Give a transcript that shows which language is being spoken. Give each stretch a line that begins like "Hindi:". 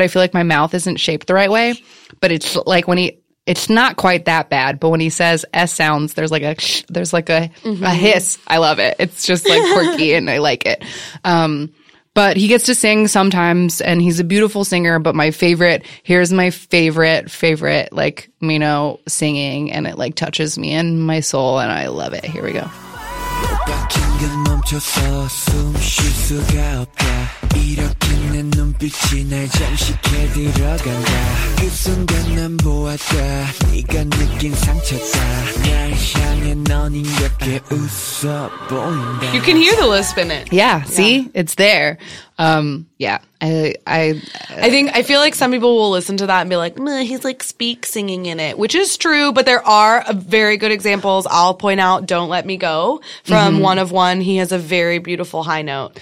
English: I feel like my mouth isn't shaped the right way, but it's like when he, it's not quite that bad, but when he says S sounds, there's like a mm-hmm. a hiss. I love it. It's just like quirky and I like it. But he gets to sing sometimes and he's a beautiful singer, but here's my favorite like Mino singing, and it like touches me in my soul and I love it. Here we go.
Korean: 긴긴 멈춰서 숨 쉴 수가 없다 이렇게 내 눈빛이 날 잠시 캐들어간다 그 순간 난 보았다 네가 느낀 상처다 날 향해 넌 힘겹게 웃어 보인다.
English: You can hear the lisp in it. Yeah, see? Yeah. It's there. Yeah. I feel like some people will listen to that and be like, he's like speak singing in it, which is true, but there are very good examples. I'll point out Don't Let Me Go from mm-hmm. One of One. He has a very beautiful high note.